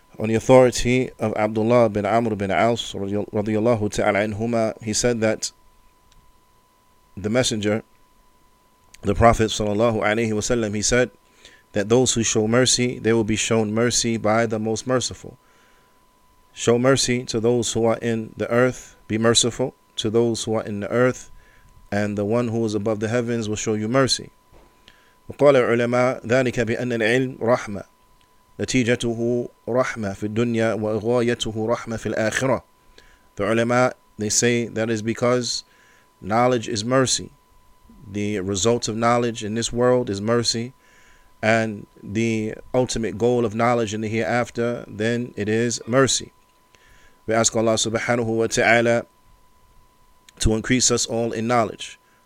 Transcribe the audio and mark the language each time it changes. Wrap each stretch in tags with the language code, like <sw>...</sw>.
<en>On the authority of Abdullah bin Amr bin Aus radiyallahu ta'ala anhuma, he said that the messenger, the Prophet sallallahu alayhi wa sallam, he said that those who show mercy, they will be shown mercy by the most merciful. Show mercy to those who are in the earth, be merciful to those who are in the earth, and the one who is above the heavens will show you mercy.</en> <ar>وقال العلماء ذلك بأن العلم رحمة نتيجته رحمة في الدنيا وغايته رحمة في الآخرة.</ar> <en>The ulama, they say that is because knowledge is mercy. The result of knowledge in this world is mercy, and the ultimate goal of knowledge in the hereafter, then it is mercy. We ask Allah subhanahu wa ta'ala to increase us all in knowledge.</en>